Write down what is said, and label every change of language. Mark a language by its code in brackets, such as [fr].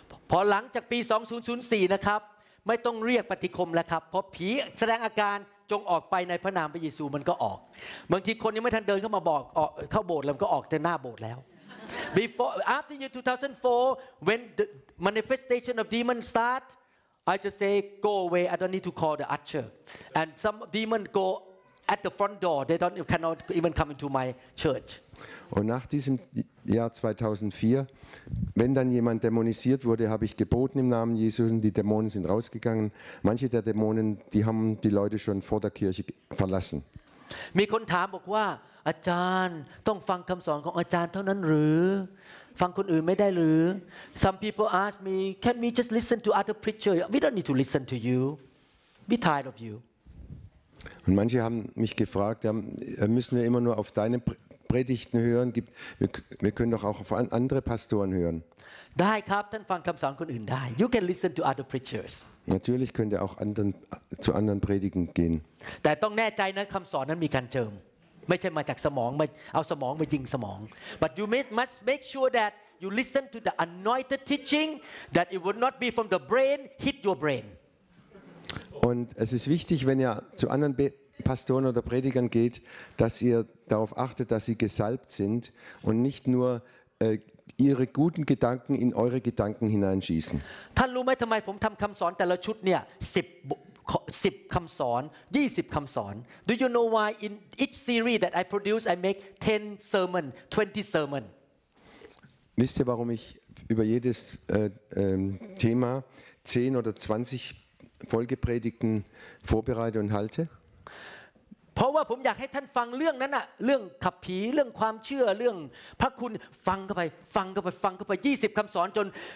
[th] พอหลังจากปี2004นะครับไม่ต้องเรียกปฏิคมแล้วครับเพราะผีแสดงอาการจงออกไปในพระนามพระเยซูมันก็ออกบางทีคนยังไม่ทันเดินเข้ามาบอกเข้าโบสถ์แล้วก็ออกแต่หน้าโบสถ์แล้ว [en] Before after year 2004 when theManifestation of demons start. I just say go away. I don't need to call the usher. And some demon go at the front door. They don't cannot even come into my church. [de] Und nach diesem Jahr 2004, wenn dann jemand dämonisiert wurde, habe ich geboten im Namen Jesu. Die Dämonen sind rausgegangen. Manche der Dämonen, die haben die Leute schon vor der Kirche verlassen. [th] มีคนถามบอกว่าอาจารย์ต้องฟังคำสอนของอาจารย์เท่านั้นหรือฟังคนอื่นไม่ได้หรือ [en] Some people ask me, can we just listen to other preacher? We don't need to listen to you. We tired of you. [de] Und manche haben mich gefragt, müssen wir immer nur auf deine Predigten hören? Wir können doch auch auf andere Pastoren hören. [th] ได้ครับท่านฟังคำสอนคนอื่นได้ [en] You can listen to other preachers. [de] Natürlich könnt ihr auch zu anderen Predigen gehen. [th] แต่ต้องแน่ใจนะคำสอนนั้นมีการเจิมไม่ใช่มาจากสมองมาเอาสมองมายิงสมอง [en] but you must make sure that you listen to the anointed teaching that it would not be from the brain hit your brain [de] und es ist wichtig wenn ihr zu anderen Pastoren oder Predigern geht dass ihr darauf achtet dass sie gesalbt sind und nicht nur ihre guten Gedanken in eure Gedanken hineinschießen [th] ท่านรู้ไหมทำไมผมทำคำสอนแต่ละชุดเนี่ย10คำสอน20คำสอน [en] Do you know why in each series that I produce I make 10 sermon 20 sermon [de] Wisst ihr warum ich über jedes Thema 10 oder 20 Folgepredigten vorbereite und halte [th] เพราะว่าผมอยากให้ท่านฟังเรื่องนั้นน่ะเรื่องขับผีเรื่องความเชื่อเรื่องพระคุณฟังเข้าไป20คำสอนจน